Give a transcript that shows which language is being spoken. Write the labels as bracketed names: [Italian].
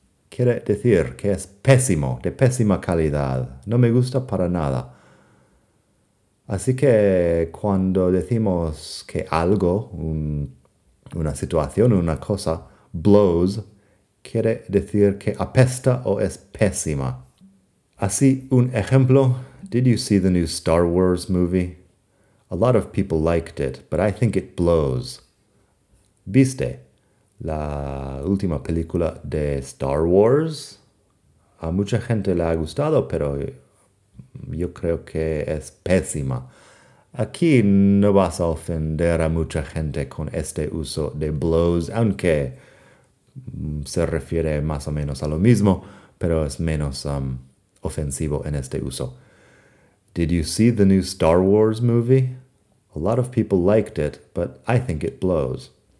[Spanish] Quiere decir que es pésimo, de pésima calidad. No me gusta para nada. Así que cuando decimos que algo, una situación, una cosa, blows, quiere decir que apesta o es pésima. Así, un ejemplo. [English] Did you see the new Star Wars movie? A lot of people liked it, but I think it blows. [Spanish] ¿Viste la última película de Star Wars? A mucha gente le ha gustado, pero yo creo que es pésima. Aquí no vas a ofender a mucha gente con este uso de blows, aunque se refiere más o menos a lo mismo, pero es menos ofensivo en este uso. [English] Did you see the new Star Wars movie? A lot of people liked it, but I think it blows.